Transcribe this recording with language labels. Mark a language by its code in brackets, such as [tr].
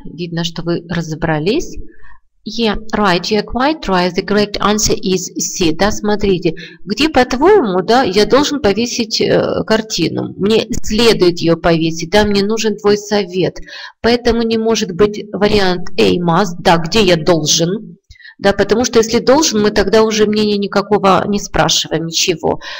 [ru] Видно, что вы разобрались. [en] Yeah, right, you're quite right. The correct answer is C. [ru] Да, смотрите. Где, по-твоему, да, я должен повесить картину? Мне следует ее повесить, да, мне нужен твой совет. Поэтому не может быть вариант A must, да, где я должен. Да, потому что если должен, мы тогда уже мнения никакого не спрашиваем, ничего.